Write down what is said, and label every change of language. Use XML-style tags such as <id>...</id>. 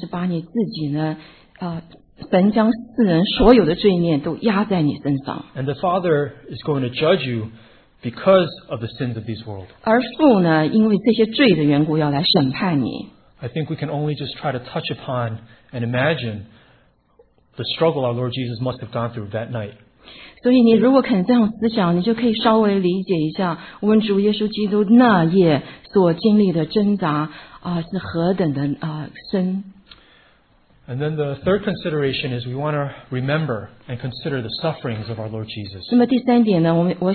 <zh>所以你就知道你要被人吐唾沫，被人厌恶，你要被人打，你要被人虐待，到最后被钉在十字架上，而且呢，是把你自己呢。神将世人所有的罪孽都压在你身上。</zh> <en>And the Father is going to judge you because of the sins of this world.</en> <zh>而父呢，因为这些罪的缘故要来审判你。</zh> <en>I think we can only just try to touch upon and imagine the struggle our Lord Jesus must have gone through that night.</en> <zh>所以你如果肯这样思想，你就可以稍微理解一下我们主耶稣基督那夜所经历的挣扎是何等的深。</zh> <en>And then the third consideration is we want to remember and consider the sufferings of our Lord Jesus.</en>